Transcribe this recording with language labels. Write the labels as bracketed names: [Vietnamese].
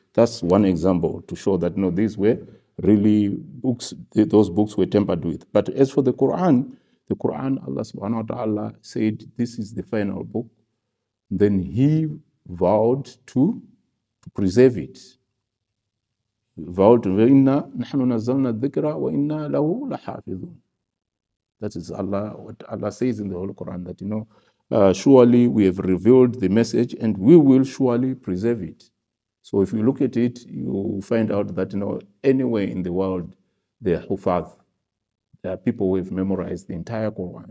[English] That's one example to show that, no, these were really books, those books were tempered with. But as for the Quran, Allah subhanahu wa ta'ala said, this is the final book. Then he vowed to preserve it. He vowed, [Arabic] وَإِنَّا نَحْنُ نَزَّلْنَا الذِّكْرَ وَإِنَّا لَهُ لَحَافِظُونَ. [English] That is Allah, what Allah says in the whole Quran, that, you know, surely we have revealed the message and we will surely preserve it. So if you look at it, you find out that, you know, anywhere in the world, there are hufaz, there are people who have memorized the entire Quran.